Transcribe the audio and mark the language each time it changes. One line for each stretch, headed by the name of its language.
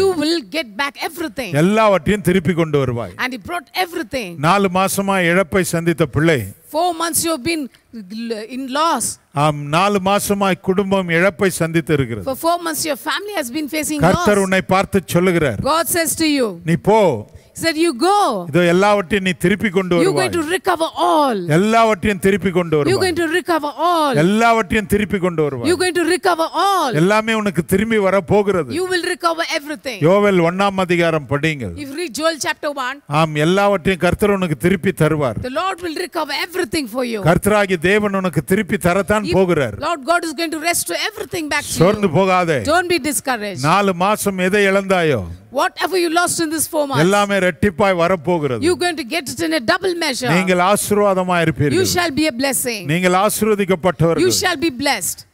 English: You will get back everything.
Tamil: எல்லாவற்றையும் திருப்பி கொண்டு வருவாய்.
English: And he brought everything.
Tamil: 4 மாசமா இழப்பை சந்தித்த பிள்ளை.
English: 4 months you have been in loss.
Tamil: 4 மாசமா குடும்பம் இழப்பை சந்தித்து இருக்கிறது.
English: For 4 months your family has been facing
Tamil: கர்த்தர்
English: loss.
Tamil: கர்த்தர் உன்னை பார்த்து சொல்லுகிறார்.
English: God says to you.
Tamil: நீ போ.
English: He said you go.
Tamil: இது எல்லாவற்றையும் நீ திருப்பி கொண்டு வருவாய்.
English: You going to recover all.
Tamil: எல்லாவற்றையும் திருப்பி கொண்டு வருவாய்.
English: You going to recover all.
Tamil: எல்லாவற்றையும் திருப்பி கொண்டு வருவாய்.
English: You going to recover all.
Tamil: எல்லாமே உனக்கு திரும்பி வர போகிறது.
English: You will recover everything.
Tamil: யோவேல் 1 அதிகாரம் படிங்கள்.
English: If you read Joel chapter 1.
Tamil: ஆம் எல்லாவற்றையும் கர்த்தர் உனக்கு திருப்பி தருவார்.
English: The Lord will recover everything for you.
Tamil: கர்த்தராகிய தேவன் உனக்கு திருப்பி தரத்தான் போகிறார்.
English: Lord God is going to restore everything back to you.
Tamil: சோர்ந்து போகாதே.
English: Don't be discouraged.
Tamil: 4 மாசம் எதை இழந்தாயோ
English: whatever you lost in this 4 months
Tamil: ellame rettipai varapogirathu
English: you going to get it in a double measure
Tamil: neengal aashirvadamai irpeergal
English: you shall be a blessing
Tamil: neengal aashirvadikkapattavargal
English: you shall be blessed